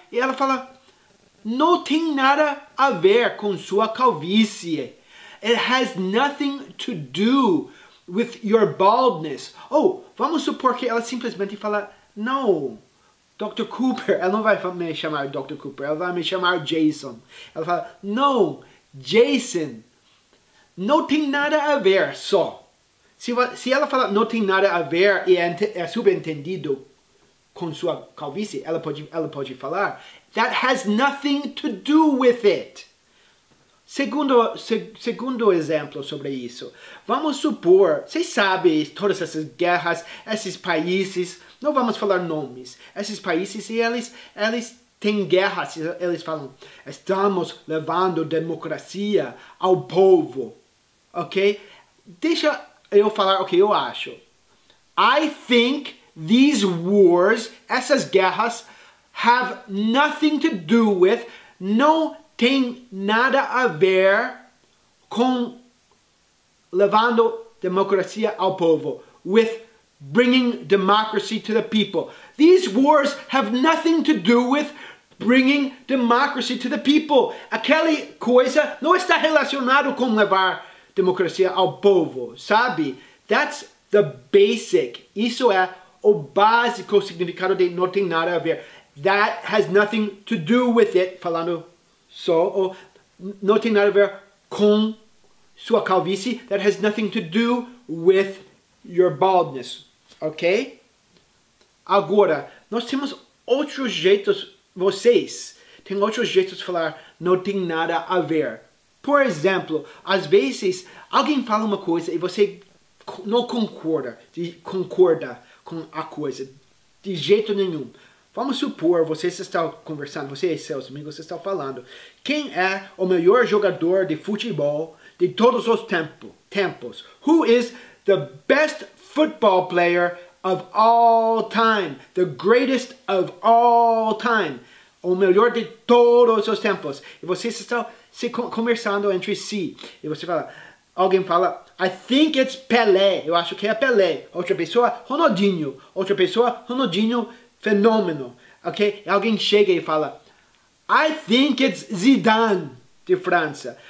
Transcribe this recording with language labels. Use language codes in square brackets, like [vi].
[pt] E ela fala, não tem nada a ver com sua calvície. [en] It has nothing to do with your baldness. [pt] Oh, vamos supor que ela simplesmente fala, no, Dr. Cooper. Ela não vai me chamar Dr. Cooper, ela vai me chamar Jason. Ela fala, no, Jason, não tem nada a ver só. Se ela fala, não tem nada a ver e é subentendido com sua calvície, ela pode falar, [en] that has nothing to do with it. [pt] Segundo exemplo sobre isso, vamos supor, vocês sabem todas essas guerras, esses países, não vamos falar nomes, esses países, e eles têm guerras, eles falam, estamos levando democracia ao povo, ok? Deixa eu falar o que eu acho. [en] I think these wars, [pt] essas guerras, [en] have nothing to do with, [pt] no tem nada a ver com levando democracia ao povo, [en] with bringing democracy to the people. These wars have nothing to do with bringing democracy to the people. [pt] Aquela coisa não está relacionada com levar democracia ao povo, sabe? [en] That's the basic. [pt] Isso é o básico significado de não tem nada a ver. [en] That has nothing to do with it, [pt] falando só, ou não tem nada a ver com sua calvície, [en] that has nothing to do with your baldness, ok? [pt] Agora, nós temos outros jeitos, vocês têm outros jeitos de falar não tem nada a ver. Por exemplo, às vezes alguém fala uma coisa e você não concorda com a coisa, de jeito nenhum. Vamos supor, vocês estão conversando, você e seus amigos estão falando, quem é o melhor jogador de futebol de todos os tempos? [en] Who is the best football player of all time? The greatest of all time. [pt] O melhor de todos os tempos. E vocês estão se conversando entre si. E você fala, alguém fala, [en] I think it's Pelé. [pt] Eu acho que é Pelé. Outra pessoa, Ronaldinho. Outra pessoa, Ronaldinho. Fenômeno, ok? Alguém chega e fala, [en] I think it's Zidane, [pt] de França.